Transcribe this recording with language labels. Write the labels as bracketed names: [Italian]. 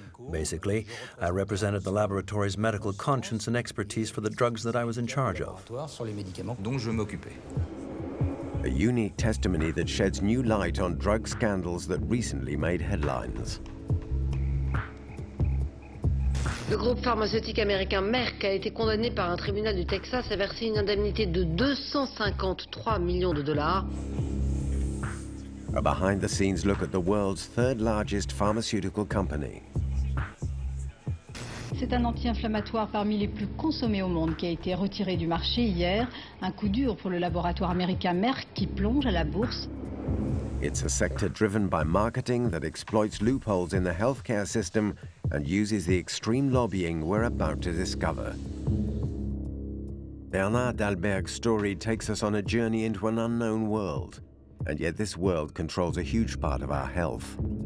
[English] Basically, I represented the laboratory's medical conscience and expertise for the drugs that I was in charge of. A unique testimony that sheds new light on drug scandals that recently made headlines. [French] Le groupe pharmaceutique américain Merck a été condamné par un tribunal du Texas à verser une indemnité de 253 millions de dollars. [English] A behind-the-scenes look at the world's third largest pharmaceutical company. [French] C'est un anti-inflammatoire parmi les plus consommés au monde qui a été retiré du marché hier. Un coup dur pour le laboratoire américain Merck qui plonge à la bourse. [English] It's a sector driven by marketing that exploits loopholes in the healthcare system and uses the extreme lobbying we're about to discover. Bernard Dalbergue's story takes us on a journey into an unknown world, and yet this world controls a huge part of our health.